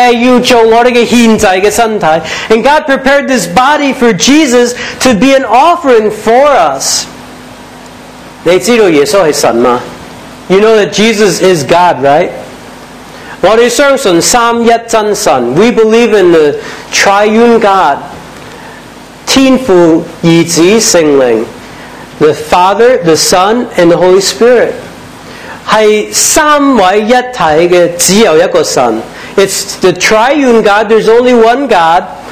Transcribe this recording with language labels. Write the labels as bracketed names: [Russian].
[Chinese] 神为耶稣预备了一个身体，这个身体要做我们的献祭的身体。 [English] And God prepared this body for Jesus to be an offering for us. [Chinese] 你知道耶稣是神吗？ [English] You know that Jesus is God, right? [Chinese] 我们相信三一真神。 [English] We believe in the triune God. [Chinese] 天父、儿子、圣灵。 [English] The Father, the Son, and the Holy Spirit. [Chinese] 是三位一体的只有一个神。 [English] It's the triune God, there's only one God.